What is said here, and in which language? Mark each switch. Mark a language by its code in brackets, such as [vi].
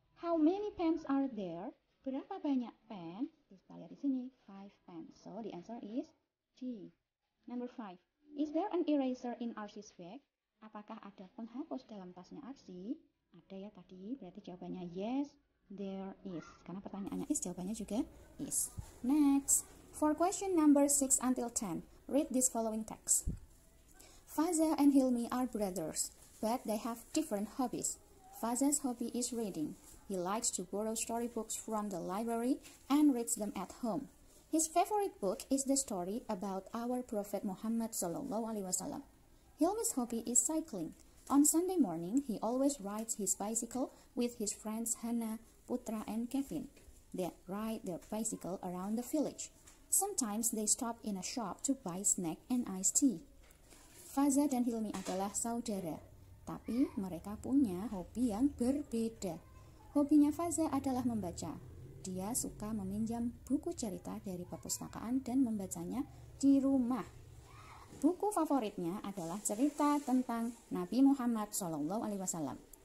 [en] How many pens are there? [id] Berapa banyak pen? Kita lihat di sini. [en] 5 pens. So, the answer is D. Number 5. Is there an eraser in Archie's bag? [id] Apakah ada penghapus dalam tasnya Archie? Ada ya tadi. Berarti jawabannya [en] yes, there is. [id] Karena pertanyaannya is, jawabannya juga is. [en] Next. For question number 6 until 10, read this following text. Faza and Hilmi are brothers, but they have different hobbies. Faza's hobby is reading. He likes to borrow storybooks from the library and reads them at home. His favorite book is the story about our Prophet Muhammad [ar] sallallahu alaihi wasallam. [en] Hilmi's hobby is cycling. On Sunday morning, he always rides his bicycle with his friends Hana, Putra, and Kevin. They ride their bicycle around the village. Sometimes they stop in a shop to buy snack and iced tea. [id] Faza dan Hilmi adalah saudara, tapi mereka punya hobi yang berbeda. Hobinya Faza adalah membaca. Dia suka meminjam buku cerita dari perpustakaan dan membacanya di rumah. Buku favoritnya adalah cerita tentang Nabi Muhammad SAW.